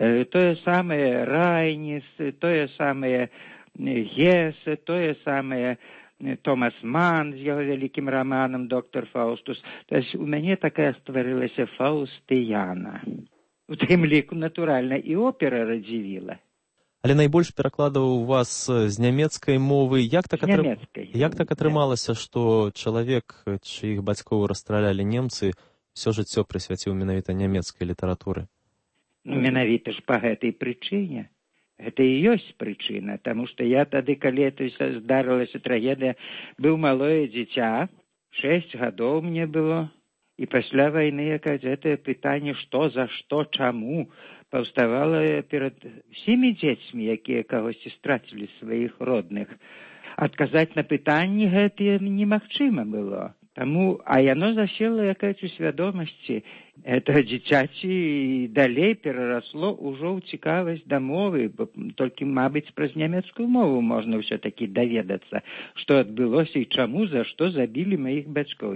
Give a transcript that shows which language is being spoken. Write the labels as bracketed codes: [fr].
[uk] Тоє саме Райніс, тоє саме Гесе, тоє саме Томас Ман з його великим романом «Доктор Фаустус». Тобто у мене така створилася Фаустіяна. У тим ліку, натурально, і опера радзівіла. [be] Але найбольш перакладаў у вас з нямецкай мовы. Як так атрымалася, што чалавек, чыіх бацькоў расстралялі немцы, усё жыццё прысвяціў менавіта нямецкай літаратуры? Ну, менавіта ж па гэтай прычыне. Гэта і ёсць прычына, таму што я тады, калі гэта здарылася трагедыя, быў малое дзіця, 6 гадоў мне было, [uk] І після війни якесь це питання, що за що, чому, повставало перед всіми дітьми, які когось втратили своїх родних. Отказати на питанні [be] гэтае немагчыма было. Таму, а яно засело якаць у свядомасці гэтага дзіцяці і далей перарасло ўжо ў цікавасць да мовы, бо толькі, мабыць, праз нямецкую мову можна ўсё-такі даведацца, што адбылося і чаму, за што забілі маіх бацькоў.